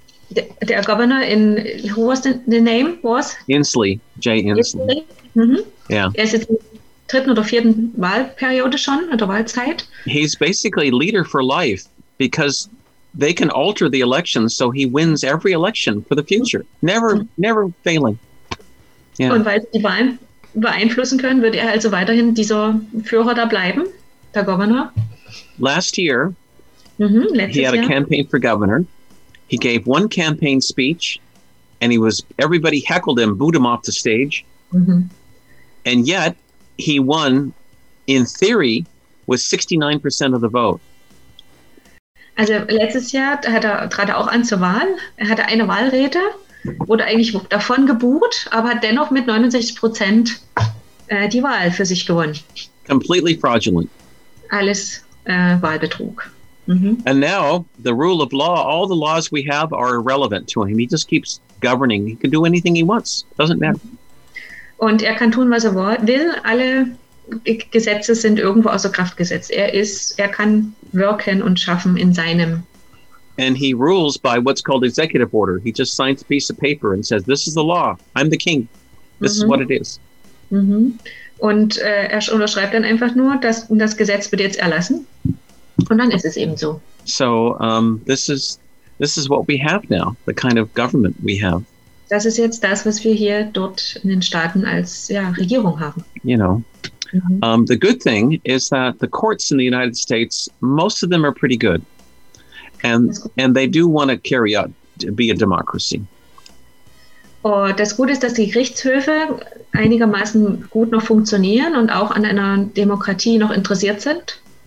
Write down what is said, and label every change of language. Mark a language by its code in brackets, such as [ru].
[de] Der Governor in, [en] who was the name was? Inslee, Jay Inslee. Mm-hmm. Yeah. [de] Er ist jetzt in der dritten oder vierten Wahlperiode schon, oder Wahlzeit. [en] He's basically leader for life, because they can alter the elections, so he wins every election for the future. Never, never failing. Yeah. [de] Und weil sie die Wahlen beeinflussen können, wird er also weiterhin dieser Führer da bleiben, der Governor. [en] Last year, mm-hmm, he had [de] Jahr. [en] A campaign for governor. He gave one campaign speech, and everybody heckled him, booed him off the stage. Mm-hmm. And yet, he won, in theory, with 69% of the vote. [de] Also letztes Jahr trat er auch an zur Wahl. Er hatte eine Wahlrede, wurde eigentlich davon gebuht, aber hat dennoch mit 69% die Wahl für sich gewonnen. [en] Completely fraudulent. [de] Alles Wahlbetrug. Mm-hmm. [en] And now, the rule of law, all the laws we have are irrelevant to him. He just keeps governing. He can do anything he wants. Doesn't matter. [de] Und er kann tun, was er will. Alle Gesetze sind irgendwo außer Kraft gesetzt. Er kann wirken und schaffen in seinem. [en] And he rules by what's called executive order. He just signs a piece of paper and says, this is the law. I'm the king. This mm-hmm. is what it is. Mm-hmm. [de] Und er unterschreibt dann einfach nur, dass das Gesetz wird jetzt erlassen. Und dann ist es eben so. [en] So this is what we have now, the kind of government we have. [de] Das ist jetzt das, was wir hier dort in den Staaten als ja, Regierung haben. [en] You know, mm-hmm. The good thing is that the courts in the United States, most of them are pretty good. And they do want to carry out, be a democracy. [de] Oh, das Gute ist, dass die Gerichtshöfe einigermaßen gut noch funktionieren und auch an einer Demokratie noch interessiert sind.